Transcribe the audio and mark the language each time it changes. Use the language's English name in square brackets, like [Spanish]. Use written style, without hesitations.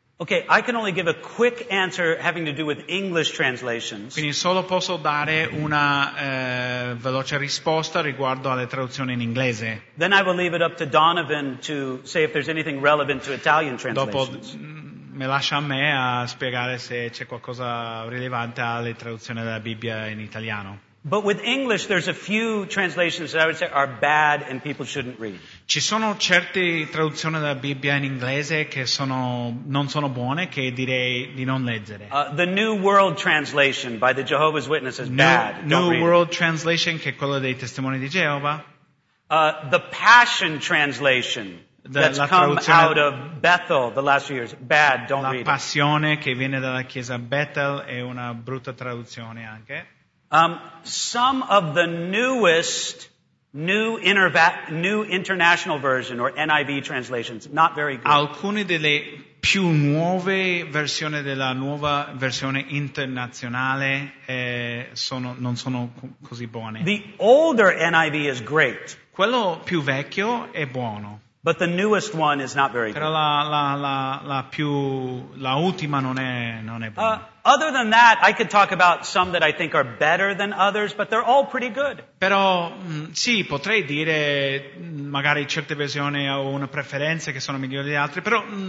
[English] Okay, I can only give a quick answer having to do with English translations. [Italian] Quindi solo posso dare una veloce risposta riguardo alle traduzioni in inglese. [English] Then I will leave it up to Donovan to say if there's anything relevant to Italian translations. [Italian] Dopo me lascia a me a spiegare se c'è qualcosa rilevante alle traduzioni della Bibbia in italiano. [English] But with English there's a few translations that I would say are bad and people shouldn't read. [Italian] Ci sono certe traduzioni della Bibbia in inglese che non sono buone, che direi di non leggere. [English] The New World Translation by the Jehovah's Witnesses is bad. [Italian] New World Translation, che è quella dei Testimoni di Geova. [English] The Passion Translation that's come out of Bethel the last few years, bad, don't read it. [Italian] La Passione, che viene dalla chiesa Bethel, è una brutta traduzione anche. [English] Some of the newest New International Version or NIV translations, not very good. [Italian] Alcune delle più nuove versioni della nuova versione internazionale non sono così buone. [English] The older NIV is great. [Italian] Quello più vecchio è buono. [English] But the newest one is not very good. [Italian] Però la ultima non è buona. [English] Other than that, I could talk about some that I think are better than others, but they're all pretty good. [Italian] Però sì, potrei dire magari certe versioni ho una preferenza che sono migliori di altre, però